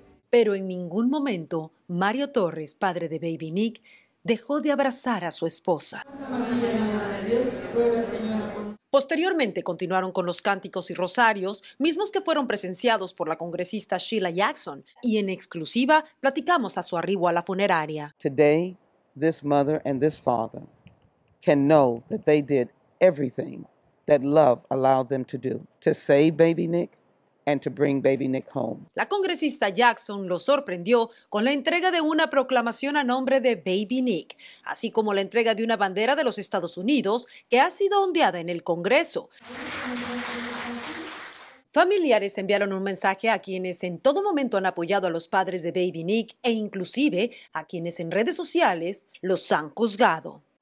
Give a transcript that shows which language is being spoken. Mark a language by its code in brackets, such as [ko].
[es] Pero en ningún momento Mario Torres, padre de Baby Nick, dejó de abrazar a su esposa. Posteriormente continuaron con los cánticos y rosarios, mismos que fueron presenciados por la congresista Sheila Jackson, y en exclusiva platicamos a su arribo a la funeraria. [en] Today, this mother and this father can know that they did everything that love allowed them to do to save Baby Nick and to bring Baby Nick home. [es] La congresista Jackson lo sorprendió con la entrega de una proclamación a nombre de Baby Nick, así como la entrega de una bandera de los Estados Unidos que ha sido ondeada en el Congreso. Familiares enviaron un mensaje a quienes en todo momento han apoyado a los padres de Baby Nick e inclusive a quienes en redes sociales los han juzgado.